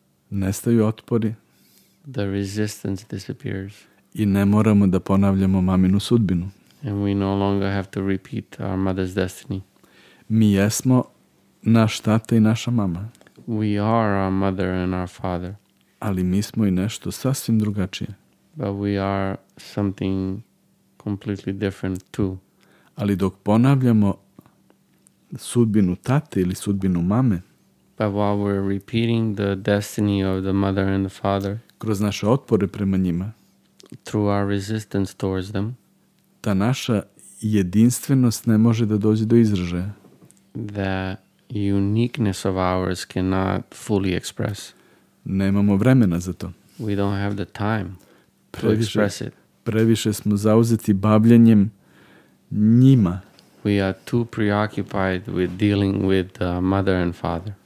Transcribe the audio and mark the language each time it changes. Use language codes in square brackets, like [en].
[sr] Nestaju otpori. [en] The resistance disappears. [sr] I ne moramo da ponavljamo maminu sudbinu. [en] And we no longer have to repeat our mother's destiny. [sr] Mi jesmo naš tata i naša mama. [en] We are our mother and our father. [sr] Ali mi smo i nešto sasvim drugačije. [en] But we are something completely different too. [sr] Ali dok ponavljamo sudbinu tate ili sudbinu mame, [en] but while we're repeating the destiny of the mother and the father, [sr] kroz naše otpore prema njima, [en] through our resistance towards them, [sr] ta naša jedinstvenost ne može da dođe do izražaja. [en] The uniqueness of ours cannot fully express. [sr] Nemamo vremena za to. [en] We don't have the time [sr] previše, [en] to express it. [sr] Previše smo zauzeti bavljenjem njima. [en] We are too preoccupied with dealing with mother and father.